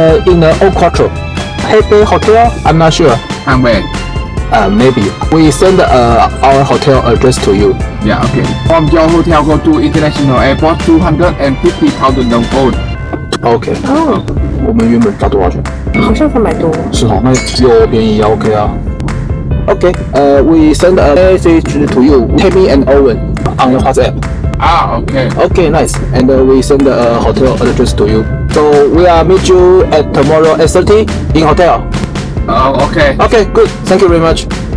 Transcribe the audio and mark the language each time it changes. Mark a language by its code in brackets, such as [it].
[en] In the Old Quattro. Hebei Hotel? I'm not sure. And where? Maybe. We send our hotel address to you. Yeah, okay. From your hotel, go to International Airport, 250,000 dong won. Okay. Oh. [zh] 我们原本找多少钱？好像300多。是哈，那又便宜啊 ，OK 啊。 [en] Okay, we send a message to you, Tammy and Owen, on your WhatsApp. Ah, okay. Okay, nice. And we send a hotel address to you. So we are meet you at tomorrow at 8:30 in hotel. Okay. Okay, good. Thank you very much.